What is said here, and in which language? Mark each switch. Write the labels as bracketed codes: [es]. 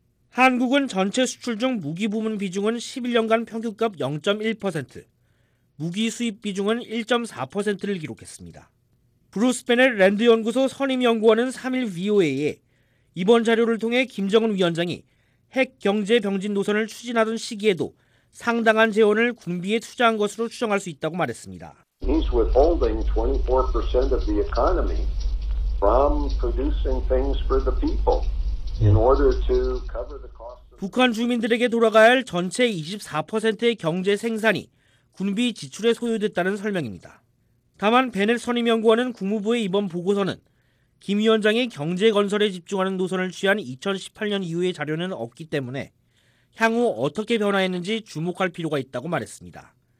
[ko] 한국은 전체 수출 중 무기 부문 비중은 11년간 평균값 0.1%, 무기 수입 비중은 1.4%를 기록했습니다. 브루스 베넷 랜드연구소 선임연구원은 3일 VOA에 이번 자료를 통해 김정은 위원장이 핵 경제 병진 노선을 추진하던 시기에도 상당한 재원을 군비에 투자한 것으로 추정할 수 있다고 말했습니다. [en] He's withholding 24% of the economy from producing things for the people in order to cover the cost. [ko] 북한 주민들에게 돌아가야 할 전체 24%의 경제 생산이 군비 지출에 소요됐다는 설명입니다. 다만 베넷 선임연구원은 국무부의 이번 보고서는 김 위원장이 경제 건설에 집중하는 노선을 취한 2018년 이후의 자료는 없기 때문에 향후 어떻게 변화했는지 주목할 필요가 있다고 말했습니다.